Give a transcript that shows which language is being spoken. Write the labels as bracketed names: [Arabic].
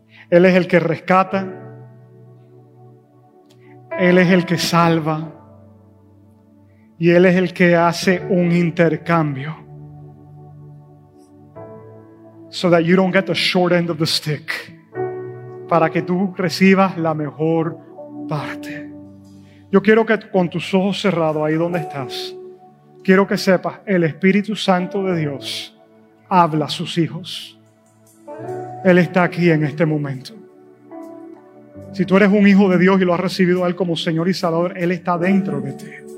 [Spanish] Él es el que rescata. Él es el que salva. Y Él es el que hace un intercambio. [English] So that you don't get the short end of the stick. [Spanish] Para que tú recibas la mejor parte. Yo quiero que con tus ojos cerrados, ahí donde estás, quiero que sepas, el Espíritu Santo de Dios habla a sus hijos. Él está aquí en este momento. Si tú eres un hijo de Dios y lo has recibido a Él como Señor y Salvador, Él está dentro de ti.